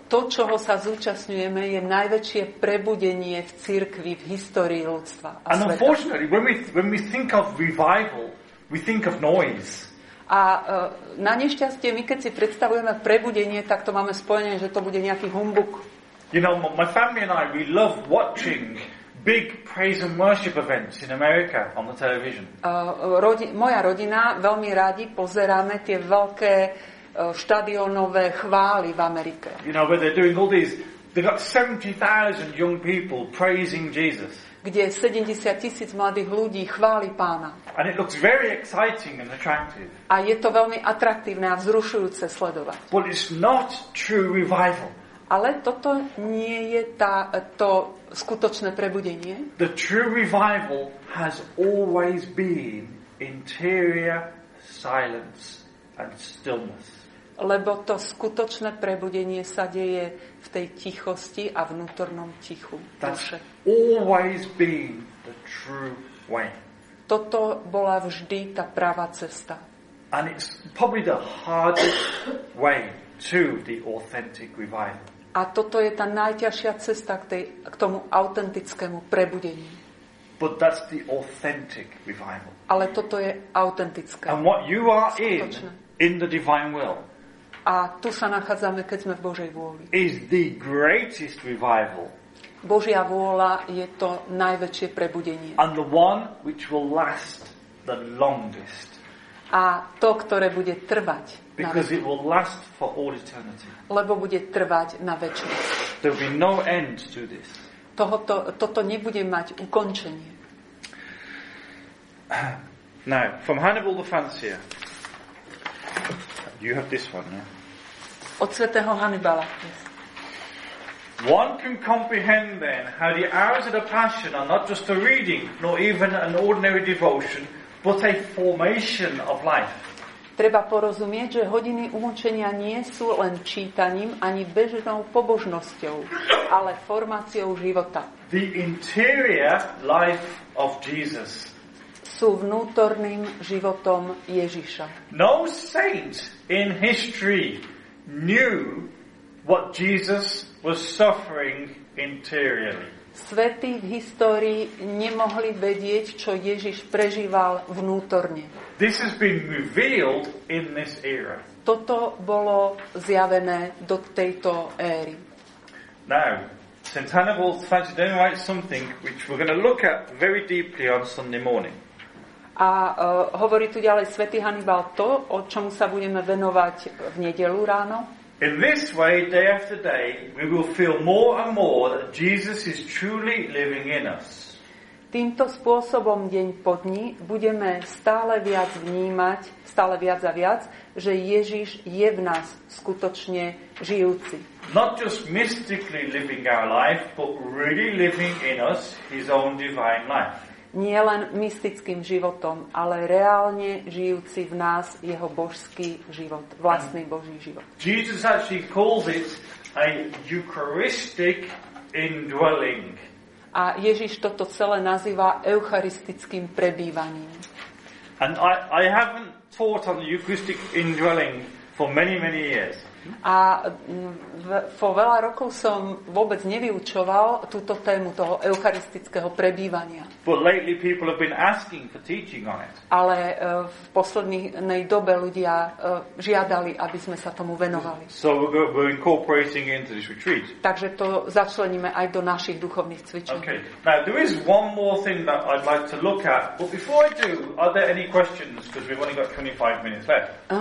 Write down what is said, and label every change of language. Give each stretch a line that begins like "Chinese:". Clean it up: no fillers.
Slovak: To, čoho sa zúčastňujeme, je najväčšie prebudenie v cirkvi v histórii ľudstva a sveta.
English: And unfortunately, when we think of revival, we think of noise.
Slovak: A na nešťastie, my keď si predstavujeme prebudenie, tak to máme spojené, že to bude nejaký humbuk.
English: You know, my family and I, we love watching big praise and worship events in America on the television.
Slovak: Moja rodina veľmi radi pozeráme tie veľké štadionové chvály v Amerike.
English: You know, where they're doing all these, they've got 70,000 young people praising Jesus.
Slovak: Kde 70 tisíc mladých ľudí chváli Pána.
English: And it looks very exciting and attractive.
Slovak: A je to veľmi atraktívne a vzrušujúce sledovať.
English: But it's not true revival.
Slovak: Ale toto nie je to skutočné prebudenie.
English: The true revival has always been interior silence and stillness.
Slovak: Lebo to skutočné prebudenie sa deje v tej tichosti a vnútornom tichu.
English: That's always been the true way.
Slovak: Toto bola vždy tá pravá cesta.
English: And it's probably the hardest way to the authentic revival.
Slovak: A toto je tá najťažšia cesta k tomu autentickému prebudeniu.
English: But that's the authentic revival.
Slovak: Ale toto je autentické.
English: And what you are in the divine will.
Slovak: A tu sa nachádzame, keď sme v Božej vôli.
English: Is the greatest revival.
Slovak: Božia vôľa je to najväčšie prebudenie.
English: And the one which will last the longest.
Slovak: a to, ktoré bude trvať
English: because it will last for all eternity.
Slovak: Lebo bude trvať na večnosť.
English: There will be no end to this.
Slovak: Toto nebude mať ukončenie.
English: Now, from Hannibal the Fancier. You have this one, yeah?
Slovak: Od svätého Hannibala.
English: Yes. One can comprehend then how the hours of the passion are not just a reading, nor even an ordinary devotion, but a formation of life.
Slovak: Treba porozumieť, že hodiny umúčenia nie sú len čítaním ani bežnou pobožnosťou, ale formáciou života.
English: The interior life of Jesus.
Slovak: Sú vnútorným životom Ježiša.
English: No saint in history knew what Jesus was suffering interiorly.
Slovak: Svätí v histórii nemohli vedieť, čo Ježiš prežíval vnútorne.
English: This has been revealed in this era.
Slovak: Toto bolo zjavené do tejto éry.
English: Now, St. Hannibal started to write something which we're going to look at very deeply on Sunday morning.
Slovak: A hovorí tu ďalej svätý Hannibal to, o čom sa budeme venovať v nedeľu ráno.
English: In this way, day after day, we will feel more and more that Jesus is truly living in us.
Slovak: Týmto spôsobom deň po dni budeme stále viac vnímať, stále viac a viac, že Ježiš je v nás skutočne žijúci.
English: Not just mystically living our life, but really living in us his own divine life.
Slovak: Nie len mystickým životom, ale reálne žijúci v nás jeho božský život, vlastný boží život.
English: Jesus actually calls it a eucharistic indwelling.
Slovak: A Ježiš toto celé nazýva eucharistickým prebývaním.
English: And I haven't taught on the eucharistic indwelling for many, many years.
Slovak: A po veľa rokov som vôbec nevyučoval túto tému toho eucharistického prebývania.
English: But lately people have been asking for teaching on it.
Slovak: Ale v poslednej dobe ľudia žiadali, aby sme sa tomu venovali.
English: So we're incorporating into this retreat.
Slovak: Takže to začleníme aj do našich duchovných cvičení.
English: Okay. Now there is one more thing that I'd like to look at. But before I do, are there any questions? Because we've only got 25 minutes left.